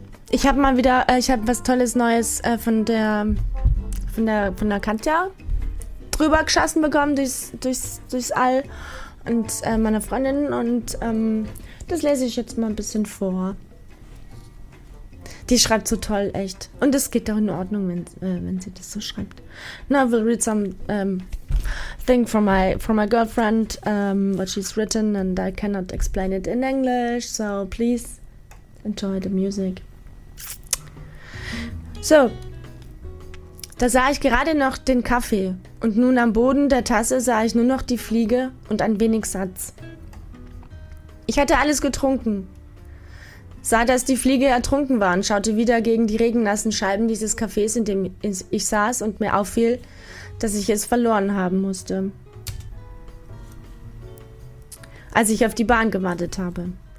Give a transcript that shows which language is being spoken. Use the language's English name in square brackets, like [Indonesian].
[German] Ich habe mal wieder, ich habe was Tolles Neues von der Katja drüber geschossen bekommen durchs All und meiner Freundin und das lese ich jetzt mal ein bisschen vor. Die schreibt so toll, echt. Und es geht doch in Ordnung, wenn sie das so schreibt. [English] Now we'll read some thing from my girlfriend, what she's written, and I cannot explain it in English, so please enjoy the music. [German] So, da sah ich gerade noch den Kaffee und nun am Boden der Tasse sah ich nur noch die Fliege und ein wenig Satz. Ich hatte alles getrunken, sah, dass die Fliege ertrunken war und schaute wieder gegen die regennassen Scheiben dieses Cafés, in dem ich saß und mir auffiel, dass ich es verloren haben musste, als ich auf die Bahn gewartet habe.